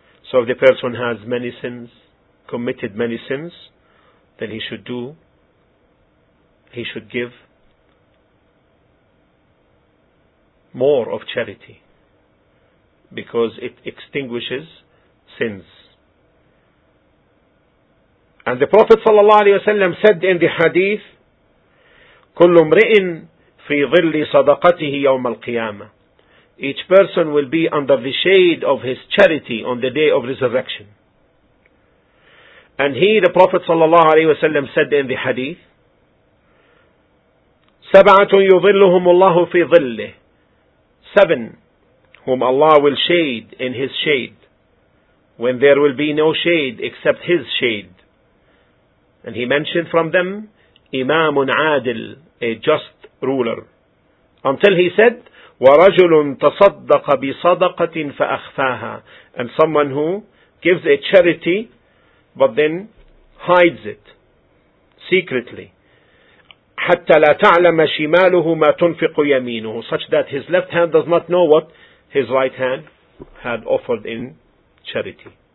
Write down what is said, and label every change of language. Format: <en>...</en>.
<en>So if the person has many sins, committed many sins, then he should give more of charity, because it extinguishes sins. And the Prophet صلى الله عليه وسلم said in the hadith,</en> <ar>كل امرئ في ظل صدقته يوم القيامة.</ar> <en>Each person will be under the shade of his charity on the day of resurrection. And the Prophet صلى الله عليه وسلم said in the hadith,</en> <ar>سبعة يظلهم الله في ظله.</ar> <en>Seven whom Allah will shade in his shade, when there will be no shade except his shade. And he mentioned from them, Imam Adil, a just ruler. Until he said,</en> <ar>وَرَجُلٌ تَصَدَّقَ بِصَدَقَةٍ فَأَخْفَاهَا.</ar> <en>And someone who gives a charity, but then hides it. secretly.</en> <ar>حتى لا تعلم شماله ما تنفق يمينه,</ar> <en>such that his left hand does not know what his right hand had offered in charity.</en>